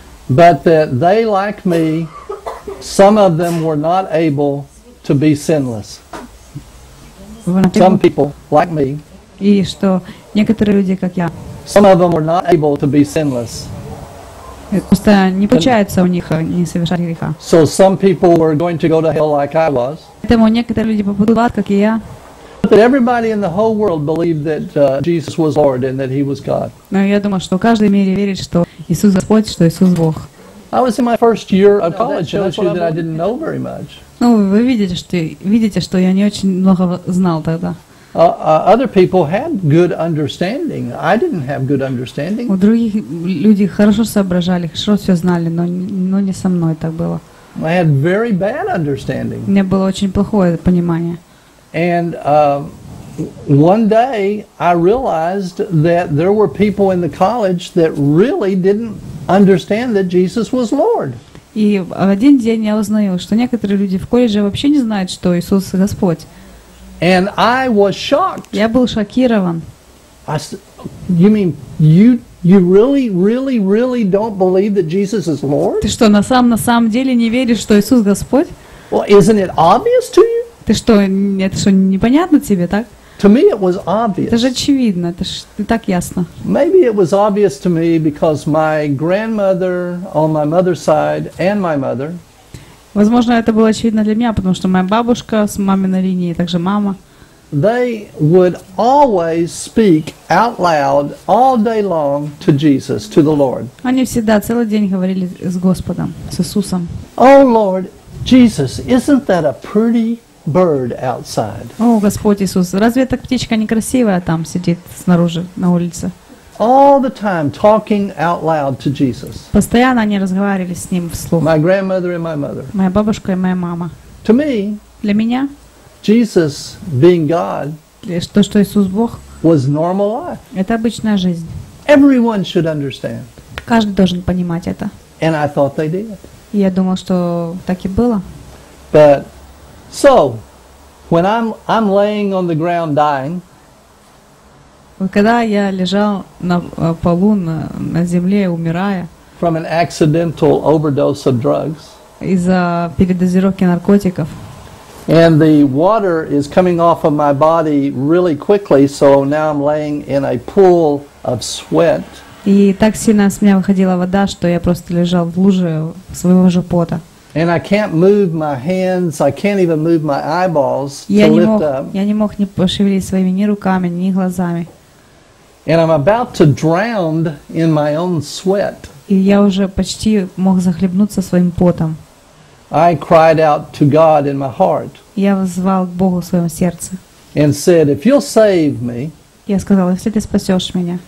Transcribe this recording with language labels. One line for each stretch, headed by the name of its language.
English: But that they, like me, some of them were not able to be sinless. Some people, like me.
Russian: И что некоторые люди, как я,
English: some of them were not able to be sinless.
Russian: Просто не получается у них не совершать греха.
English: So some people were going to go to hell like I was.
Russian: Поэтому некоторые люди попадут в ад, как и я.
English: But that everybody in the whole world believed that Jesus was Lord and that He was God.
Russian: Но я думаю, что каждый в мире верит, что Иисус Господь, что Иисус Бог.
English: I was in my first year of college, and I knew that I didn't know very much.
Russian: Ну, вы видите, что я не очень много знал тогда.
English: Other people had good understanding. I didn't have good understanding.
Russian: У других людей хорошо соображали, хорошо все знали, но не со мной так было.
English: I had very bad understanding.
Russian: У меня было очень плохое понимание.
English: And one day I realized that there were people in the college that really didn't understand that Jesus was Lord.
Russian: И в один день я узнал, что некоторые люди в колледже вообще не знают, что Иисус Господь.
English: And I was shocked.
Russian: Я был шокирован.
English: You mean you really, really, really don't believe that Jesus is Lord?
Russian: Ты что, на самом деле не веришь, что Иисус Господь?
English: Well, isn't it obvious to you?
Russian: Ты что, это что, непонятно тебе, так?
English: To me it was obvious.
Russian: Это же очевидно, это ж так ясно.
English: Maybe it was obvious to me because my grandmother on my mother's side and my mother.
Russian: Возможно, это было очевидно для меня, потому что моя бабушка с маминой линии, также мама.
English: They would always speak out loud all day long to Jesus, to the Lord.
Russian: Они всегда целый день говорили с Господом, с Иисусом.
English: Oh Lord Jesus, isn't that a pretty bird outside?
Russian: О, Господь Иисус, разве эта птичка не красивая там сидит снаружи на улице?
English: all the time talking out loud to Jesus.
Russian: Постоянно они разговаривали с ним вслух.
English: My grandmother and my mother.
Russian: Моя бабушка и моя мама.
English: To me,
Russian: для меня,
English: Jesus being God,
Russian: то, что Иисус Бог,
English: was normal life.
Russian: Это обычная жизнь.
English: Everyone should understand.
Russian: Каждый должен понимать это.
English: And I thought they did.
Russian: Я думал, что так и было.
English: But so, when I'm laying on the ground dying.
Russian: Когда я лежал на полу на земле умирая.
English: From an accidental overdose of drugs.
Russian: Из-за передозировки наркотиков.
English: And the water is coming off of my body really quickly, so now I'm laying in a pool of sweat.
Russian: И так сильно с меня выходила вода, что я просто лежал в луже своего же пота.
English: And I can't move my hands, I can't even move my eyeballs to lift up.
Russian: Я не мог ни пошевелить своими ни руками, ни глазами.
English: And I'm about to drown in my own sweat.
Russian: И я уже почти мог захлебнуться своим потом.
English: I cried out to God in my heart.
Russian: Я воззвал к Богу в своем сердце.
English: And said, if you'll save me,
Russian: я сказал, если ты спасешь меня,